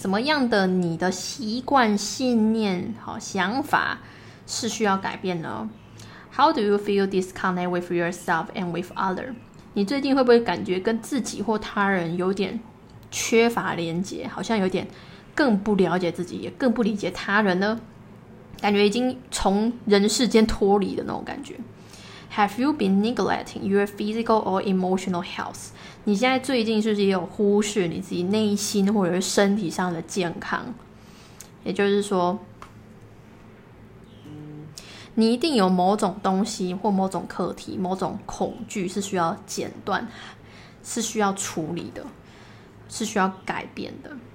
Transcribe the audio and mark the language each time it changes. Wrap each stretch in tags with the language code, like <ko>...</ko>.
<zh>什么样的你的习惯、信念、好想法是需要改变呢 ？</zh> <en>How do you feel disconnect with yourself and with other？</en> <zh>你最近会不会感觉跟自己或他人有点缺乏连接，好像有点更不了解自己，也更不理解他人呢？感觉已经从人世间脱离的那种感觉。</zh> <en>Have you been neglecting your physical or emotional health？</en> <zh>你现在最近是不是也有忽视你自己内心或者是身体上的健康？也就是说，你一定有某种东西或某种课题、某种恐惧是需要剪断，是需要处理的，是需要改变的。</zh>